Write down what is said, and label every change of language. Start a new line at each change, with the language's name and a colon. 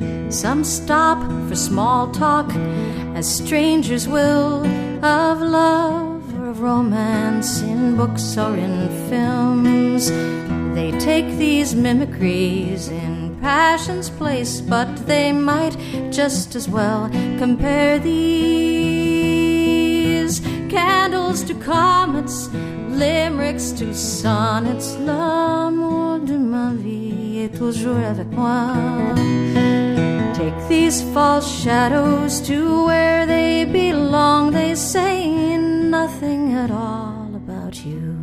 English: Some stop for small talk, as strangers will, of love or of romance in books or in films. They take these mimicries in passion's place, but they might just as well compare these candles to comets, limericks to sonnets.
French: L'amour de ma vie est toujours avec moi.
English: Take these false shadows to where they belong. They say nothing at all about you.